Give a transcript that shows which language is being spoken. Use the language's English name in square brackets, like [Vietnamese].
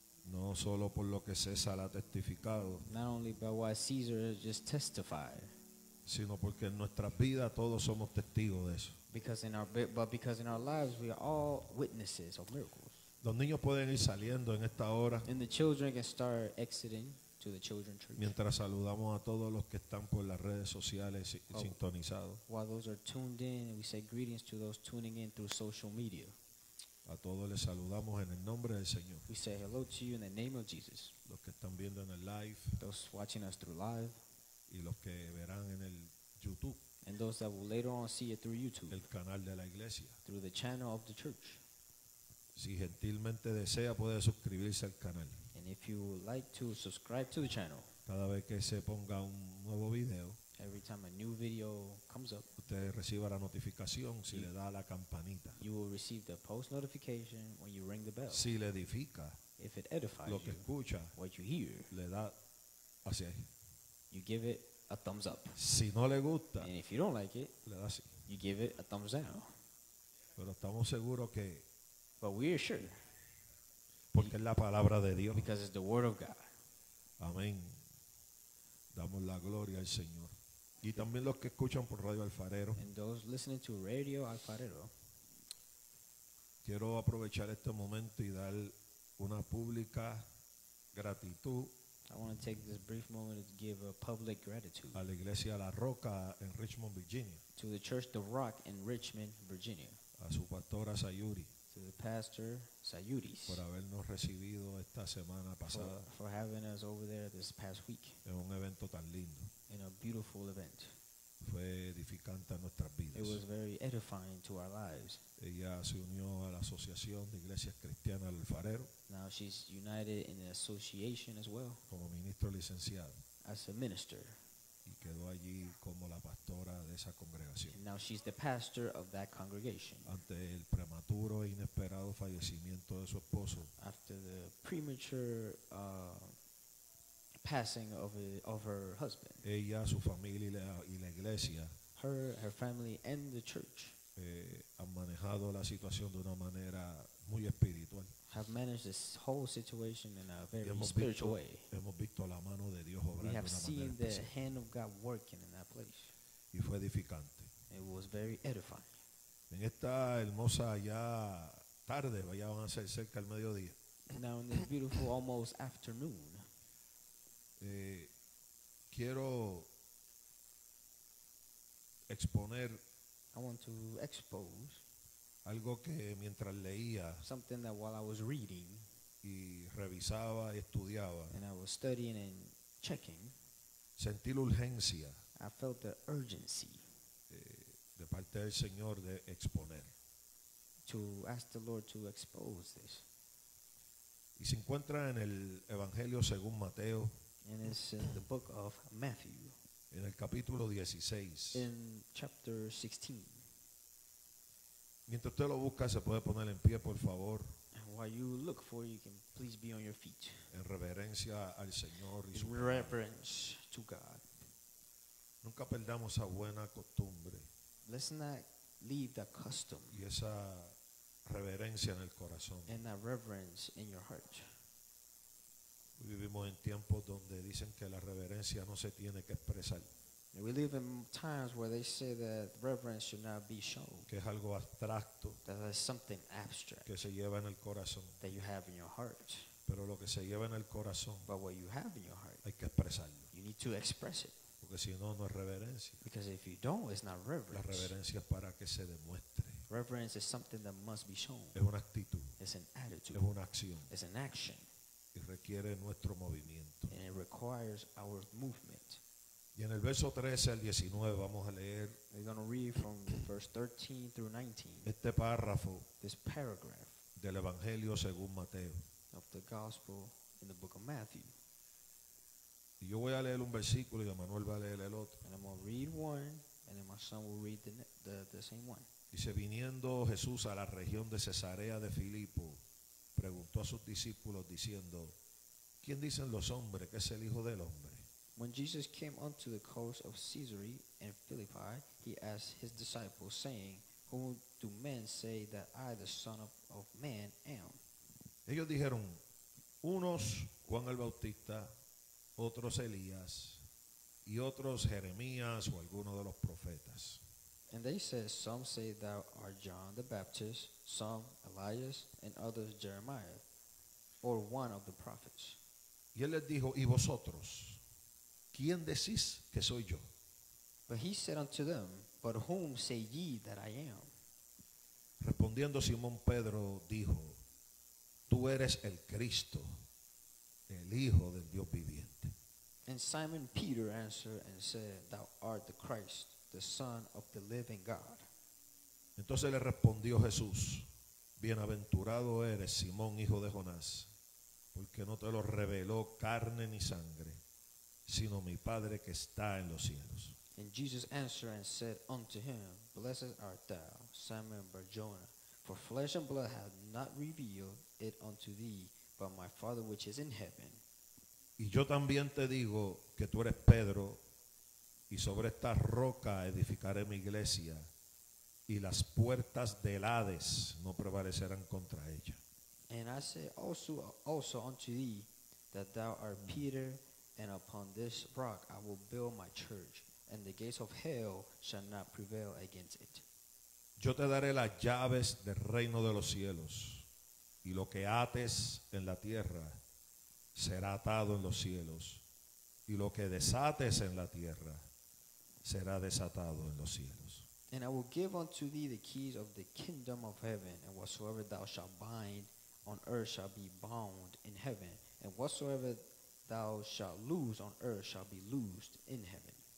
[Spanish] No solo por lo que César ha testificado. [English] Not only by what Caesar has just testified. [Spanish] Sino porque en nuestras vidas todos somos testigos de eso. [English] Because in our lives we are all witnesses of miracles. [Spanish] Los niños pueden ir saliendo en esta hora. [English] And the children can start exiting. To the children church. [Spanish] Mientras saludamos a todos los que están por las redes sociales sintonizados. [English] While those are tuned in, we say greetings to those tuning in through social media. [Spanish] A todos les saludamos en el nombre del Señor. [English] We say hello to you in the name of Jesus. [Spanish] Los que están viendo en el live. [English] Those watching us through live. [Spanish] Y los que verán en el YouTube. [English] And those that will later on see it through YouTube. [Spanish] El canal de la iglesia. [English] Through the channel of the church. [Spanish] Si gentilmente desea, puede suscribirse al canal. [English] If you would like to subscribe to the channel, [Spanish] cada vez que se ponga un nuevo video, [English] every time a new video comes up, [Spanish] usted reciba la notificación si le da la campanita. [English] You will receive the post notification when you ring the bell. [Spanish] Si le edifica, [English] if it edifies [Spanish] lo que [English] you, [Spanish] escucha, [English] what you hear, [Spanish] le da así. [English] You give it a thumbs up. [Spanish] Si no le gusta, [English] and if you don't like it, [Spanish] le da así. [English] You give it a thumbs down. [Spanish] Pero estamos seguros que, [English] but we are sure. [Spanish] Porque es la palabra de Dios. [English] Because it's the word of God. [Spanish] Amén. Damos la gloria al Señor. Y también los que escuchan por Radio Alfarero. [English] And those listening to Radio Alfarero. [Spanish] Quiero aprovechar este momento y dar una pública gratitud. [English] I want to take this brief moment to give a public gratitude. [Spanish] A la iglesia La Roca en Richmond, Virginia. [English] To the church The Rock in Richmond, Virginia. [Spanish] A su pastora Sayuri. [English] To the pastor Sayuris, [Spanish] por habernos recibido esta semana pasada, [English] for having us over there this past week, [Spanish] en un evento tan lindo, [English] in a beautiful event, [Spanish] fue edificante a nuestras vidas. [English] It was very edifying to our lives. [Spanish] Ella se unió a la Asociación de Iglesias Cristianas del Alfarero. [English] Now she's united in an association as well, [Spanish] como ministro licenciado, [English] as a minister, [Spanish] y quedó allí como la pastora de esa congregación. [English] And now she's the pastor of that congregation. [Spanish] Ante el prematuro e inesperado fallecimiento de su esposo. [English] After the premature passing of her husband. [Spanish] Ella, su familia y la iglesia. [English] Her family and the church. [Spanish] Han manejado la situación de una manera muy espiritual. [English] Have managed this whole situation in a very spiritual way. [Spanish] Hemos visto la mano de Dios obrar. [English] We have seen the [Spanish] especial [English] hand of God working in that place. [Spanish] Y fue edificante. [English] It was very edifying. [Spanish] En esta hermosa ya tarde, ya van a ser cerca al mediodía. [English] Now in this beautiful almost afternoon. [Spanish] Quiero exponer. [English] I want to expose. [Spanish] Algo que mientras leía, [English] something that while I was reading, [Spanish] y revisaba y estudiaba, [English] and I was studying and checking, [Spanish] sentí la urgencia, [English] I felt the urgency, [Spanish] de parte del Señor de exponer, [English] to ask the Lord to expose this. [Spanish] Y se encuentra en el Evangelio según Mateo, [English] and it's in the book of Matthew, [Spanish] en el capítulo 16, [English] in chapter 16. [Spanish] Mientras usted lo busca, se puede poner en pie, por favor. [English] While you look for it, you can please be on your feet. [Spanish] En reverencia al Señor y [English] in [Spanish] su [English] reverence [Spanish] palabra. [English] To God. [Spanish] Nunca perdamos esa buena costumbre. [English] Let's not leave the custom. [Spanish] Y esa reverencia en el corazón. [English] And that reverence in your heart. [Spanish] Vivimos en tiempos donde dicen que la reverencia no se tiene que expresar. [English] And we live in times where they say that reverence should not be shown. [Spanish] Que es algo abstracto. [English] That is something abstract. [Spanish] Que se lleva en el corazón. [English] That you have in your heart. [Spanish] Pero lo que se lleva en el corazón. [English] But what you have in your heart. [Spanish] Hay que expresarlo. [English] You need to express it. [Spanish] Porque si no, no es reverencia. [English] Because if you don't, it's not reverence. [Spanish] La reverencia es para que se demuestre. [English] Reverence is something that must be shown. [Spanish] Es una actitud. [English] It's an attitude. [Spanish] Es una acción. [English] It's an action. [Spanish] Y requiere nuestro movimiento. [English] And it requires our movement. [Spanish] Y en el verso 13 al 19 vamos a leer. [English] We're going to read from verse 13 through 19. [Spanish] Este párrafo. [English] This paragraph. [Spanish] Del Evangelio según Mateo. [English] Of the gospel in the book of Matthew. [Spanish] Y yo voy a leer un versículo y Emmanuel va a leer el otro. [English] And I'm going to read one, and then my son will read the same one. [Spanish] Dice, viniendo Jesús a la región de Cesarea de Filipo, preguntó a sus discípulos diciendo, ¿quién dicen los hombres que es el Hijo del Hombre? [English] When Jesus came onto the coast of Caesarea and Philippi, he asked his disciples, saying, whom do men say that I, the Son of Man, am? [Spanish] Ellos dijeron, unos Juan el Bautista, otros Elías, y otros Jeremías o alguno de los profetas. [English] And they said, some say thou art John the Baptist, some Elias, and others Jeremiah, or one of the prophets. [Spanish] Y él les dijo, ¿y vosotros? ¿Quién decís que soy yo? [English] But he said unto them, but whom say ye that I am? [Spanish] Respondiendo Simón Pedro dijo, tú eres el Cristo, el Hijo del Dios viviente. [English] And Simon Peter answered and said, thou art the Christ, the Son of the living God. [Spanish] Entonces le respondió Jesús, bienaventurado eres, Simón, hijo de Jonás, porque no te lo reveló carne ni sangre, sino mi Padre que está en los cielos. [English] And Jesus answered and said unto him, blessed art thou, Simon Barjona, for flesh and blood have not revealed it unto thee, but my Father which is in heaven. [Spanish] Y yo también te digo que tú eres Pedro, y sobre esta roca edificaré mi iglesia, y las puertas del Hades no prevalecerán contra ella. [English] And I say also unto thee that thou art Peter, and upon this rock I will build my church, and the gates of hell shall not prevail against it. [Spanish] Yo te daré las llaves del reino de los cielos, y lo que ates en la tierra será atado en los cielos, y lo que desates en la tierra será desatado en los cielos. [English] And I will give unto thee the keys of the kingdom of heaven, and whatsoever thou shalt bind on earth shall be bound in heaven, and whatsoever thou shalt loose on earth shall be loosed in heaven.